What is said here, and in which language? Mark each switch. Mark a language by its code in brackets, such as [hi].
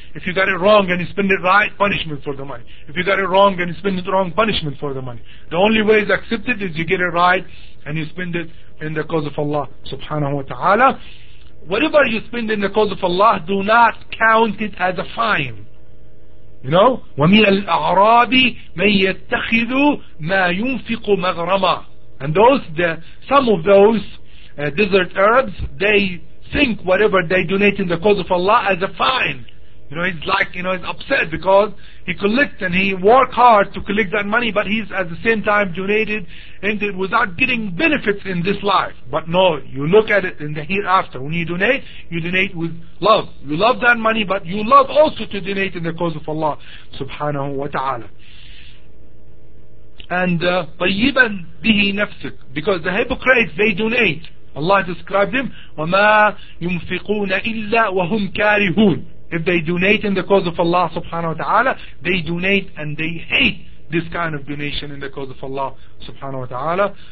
[en] If you got it wrong and you spend it right, punishment for the money. If you got it wrong and you spend it wrong, punishment for the money. The only way it's accepted is you get it right and you spend it in the cause of Allah subhanahu wa ta'ala. Whatever you spend in the cause of Allah, do not count it as a fine. You know, [ar] وَمِنَ الْأَعْرَابِ مَنْ يَتَّخِذُ مَا يُنْفِقُ مَغْرَمًا. [en] And those, some of those desert Arabs, they think whatever they donate in the cause of Allah as a fine. You know, he's like, you know, he's upset because he collects and he work hard to collect that money, but he's at the same time donated and it without getting benefits in this life. But no, you look at it in the hereafter. When you donate with love. You love that money, but you love also to donate in the cause of Allah subhanahu wa ta'ala. [ar] And طَيِّبًا بِهِ نَفْسِكْ. [en] Because the hypocrites, they donate. Allah described them, [ar] وَمَا يُنْفِقُونَ إِلَّا وَهُمْ كَارِهُونَ. [en] If they donate in the cause of Allah subhanahu wa ta'ala, they donate and they hate this kind of donation in the cause of Allah subhanahu wa ta'ala.